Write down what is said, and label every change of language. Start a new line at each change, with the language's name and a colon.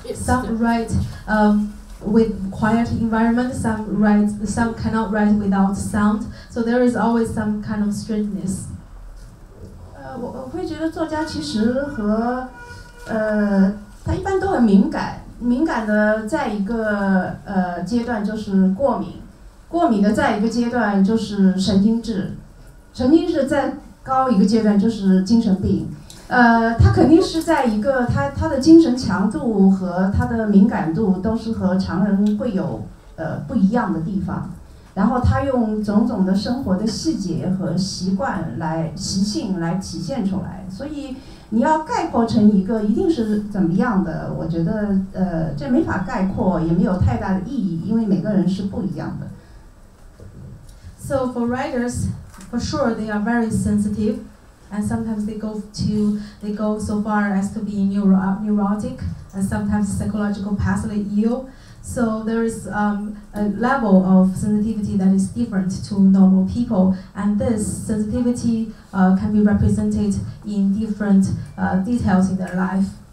English: Some write with quiet environment, some cannot write without sound. So there is always some kind of strangeness.
Chinese: 我会觉得作家其实和，他一般都很敏感，敏感的在一个阶段就是过敏，过敏的再一个阶段就是神经质，神经质再高一个阶段就是精神病，他肯定是在一个他的精神强度和他的敏感度都是和常人会有不一样的地方。然后他用种种的生活的细节和习惯来习性来体现出来，所以你要概括成一个一定是怎么样的，我觉得这没法概括，也没有太大的意义，因为每个人是不一样的。
English: So for writers, for sure, they are very sensitive, and sometimes they go so far as to be neurotic, and sometimes psychological partially ill. So there is a level of sensitivity that is different to normal people, and this sensitivity can be represented in different details in their life.